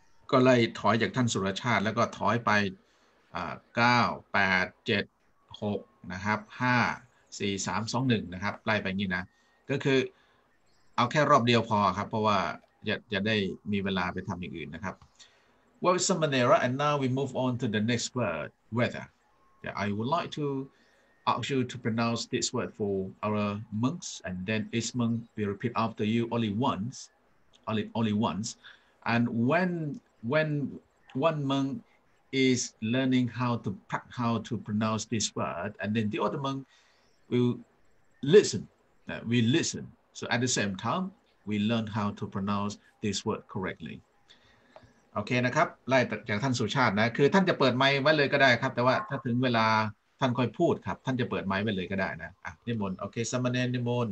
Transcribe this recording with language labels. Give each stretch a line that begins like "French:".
Thai: ก็ไล่ถอยจากท่านสุรชาติแล้วก็ถอยไป9 8 7 6นะครับ5 4 3 2 1นะครับไล่ไปงี้นะก็คือเอาแค่รอบเดียวพอครับเพราะว่าจะได้มีเวลาไปทำอย่างอื่นนะครับ
English: Well, it's Samanera, and now we move on to the next word, weather. Yeah, I would like to ask you to pronounce this word for our monks, and then each monk will repeat after you only once. And when one monkis learning how to pronounce this word and then the other monk will listen so at the same time we learn how to pronounce this word correctly
Thai: โอเคนะครับไล่จากท่านสุชาตินะคือท่านจะเปิดไมค์ไว้เลยก็ได้ครับแต่ว่าถ้าถึงเวลาท่านค่อยพูดครับท่านจะเปิดไมค์ไว้เลยก็ได้นะอ่ะนิมนต์โอเคสมณเณรนิมนต